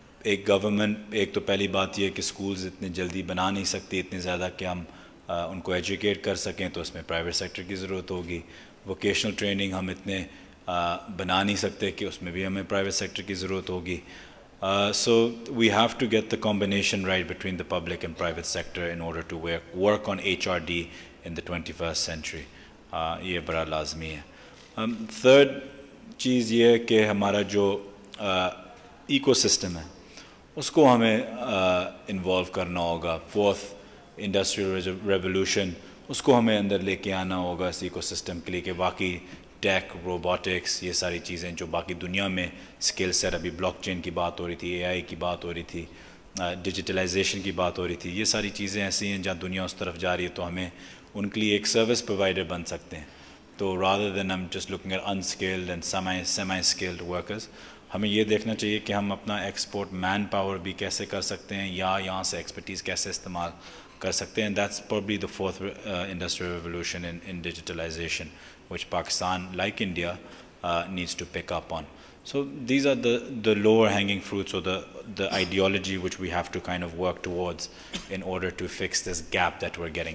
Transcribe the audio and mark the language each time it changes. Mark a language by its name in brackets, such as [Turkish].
[Urdu] ایک گورنمنٹ, ایک تو پہلی بات یہ ہے کہ اسکولز اتنے جلدی بنا نہیں سکتی اتنے زیادہ کہ ہم ان کو ایجوکیٹ کر سکیں, تو اس میں پرائیویٹ سیکٹر کی ضرورت ہوگی. ووکیشنل ٹریننگ ہم اتنے بنا نہیں سکتے کہ اس میں بھی ہمیں پرائیویٹ سیکٹر کی ضرورت ہوگی. [English] So we have to get the combination right between the public and private sector in order to work on H R D in the 21st century. [Urdu] یہ بڑا لازمی ہے. تھرڈ چیز یہ ہے کہ ہمارا جو ایکو سسٹم ہے اس کو ہمیں انوالو کرنا ہوگا. فورتھ انڈسٹریل ریولیوشن, اس کو ہمیں اندر لے کے آنا ہوگا اس ایکو سسٹم کے لیے کہ باقی ٹیک, روبوٹکس, یہ ساری چیزیں جو باقی دنیا میں اسکل سیٹ, ابھی بلاک چین کی بات ہو رہی تھی, اے آئی کی بات ہو رہی تھی, ڈیجیٹلائزیشن کی بات ہو رہی تھی, یہ ساری چیزیں ایسی ہیں جہاں دنیا اس طرف جا رہی ہے, تو ہمیں ان کے لیے ایک سروس پرووائڈر بن سکتے ہیں. تو [English] rather then ہم just looking at unskilled and semi skilled workers, [Urdu] ہمیں یہ دیکھنا چاہیے کہ ہم اپنا ایکسپورٹ مین پاور بھی کیسے کر سکتے ہیں یا یہاں سے ایکسپرٹیز کیسے استعمال کر سکتے ہیں. [English] That's probably the fourth industrial revolution in digitalization which Pakistan like India needs to pick up on. So these are the lower hanging fruits اور the ideology which we have to kind of work towards in order to fix this gap that we are getting.